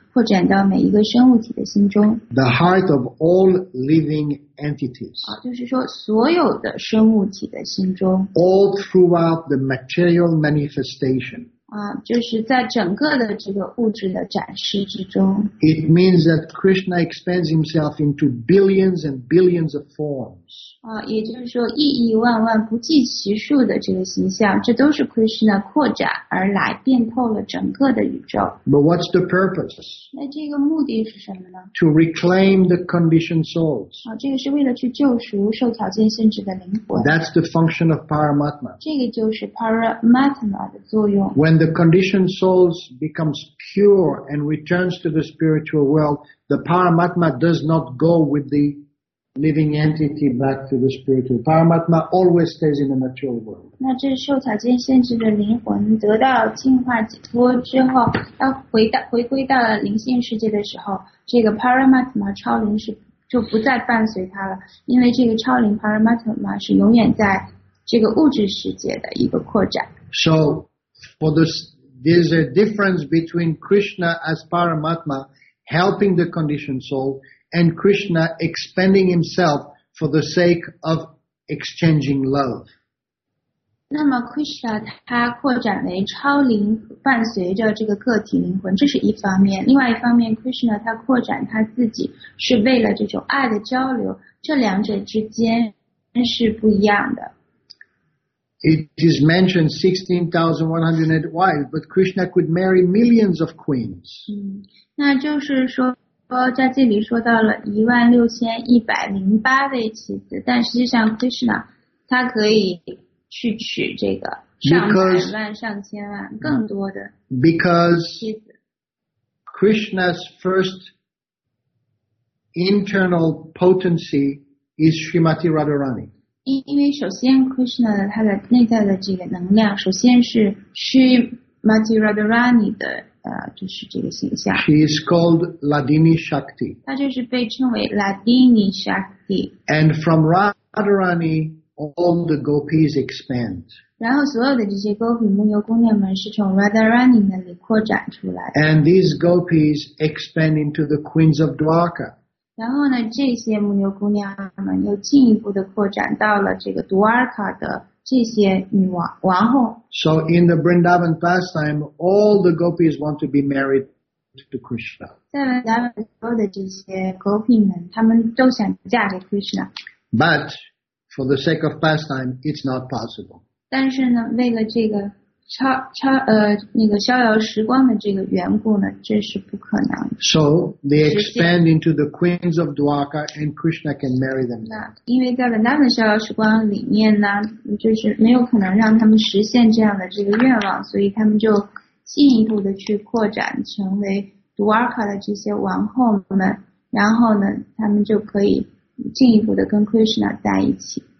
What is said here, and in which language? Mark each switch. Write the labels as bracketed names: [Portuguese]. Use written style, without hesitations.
[Chinese] 扩展到每一个生物体的心中。 [English] The heart of all living entities. [Chinese] 就是说所有的生物体的心中。 [English] All throughout the material manifestation. [Chinese] 就是在整个的这个物质的展示之中。 [English] It means that Krishna expands himself into billions and billions of forms. [Chinese] 也就是说亿亿万万不计其数的这个形象，这都是 Krishna 扩展而来，遍透了整个的宇宙。 [English] But what's the purpose? [Chinese] 那这个目的是什么呢？ [English] To reclaim the conditioned souls. [Chinese] 这个是为了去救赎受条件限制的灵魂。 [English] That's the function of Paramatma. [Chinese] 这个就是 Paramatma 的作用。 [English] When the conditioned souls becomes pure and returns to the spiritual world, the Paramatma does not go with the living entity back to the spiritual. Paramatma always stays in the material world. [Chinese] 那这受条件限制的灵魂得到净化解脱之后，要回归到了灵性世界的时候，这个 Paramatma 超灵是就不再伴随它了，因为这个超灵 Paramatma 是永远在这个物质世界的一个扩展。 [English] So,there's a difference between Krishna as Paramatma helping the conditioned soul and Krishna expanding himself for the sake of exchanging love. [Chinese] 那么 Krishna 他扩展为超灵，伴随着这个个体灵魂，这是一方面。另外一方面 ，Krishna 他扩展他自己是为了这种爱的交流，这两者之间是不一样的。 [English] It is mentioned 16,108 wives, but Krishna could marry millions of queens. [Chinese] 那就是说，在这里说到了16,108位妻子，但实际上 Krishna 他可以去娶这个上千万、更多的妻子。 [English] Because Krishna's first internal potency is Srimati Radharani. [Chinese] 因为首先 Krishna 他的内在的这个能量，首先是 Srimati Radharani 的就是这个形象。 [English] She is called Ladini Shakti. [Chinese] 她就是被称为 Ladini Shakti. [English] And from Radharani, all the gopis expand. [Chinese] 然后所有的这些 gopi 牧牛姑娘们是从 Radharani 那里扩展出来的。 [English] And these gopis expand into the queens of Dwarka. [Chinese] 然后呢，这些牧牛姑娘们又进一步的扩展到了这个 Dwarka 的这些女王王后。 [English] So in the Vrindavan pastime, all the gopis want to be married to Krishna. [Chinese] 在文达本所有的这些 gopi 们，他们都想嫁给 Krishna。 [English] But for the sake of pastime, it's not possible. [Chinese] 但是呢，为了这个逍遥时光的这个缘故呢，这是不可能。 [English] So they expand into the queens of Dwarka, and Krishna can marry them. [Chinese] 因为在文达本逍遥时光里面呢，就是没有可能让他们实现这样的这个愿望，所以他们就进一步的去扩展成为 Dwarka 的这些王后们，然后呢，他们就可以进一步的跟 Krishna 在一起。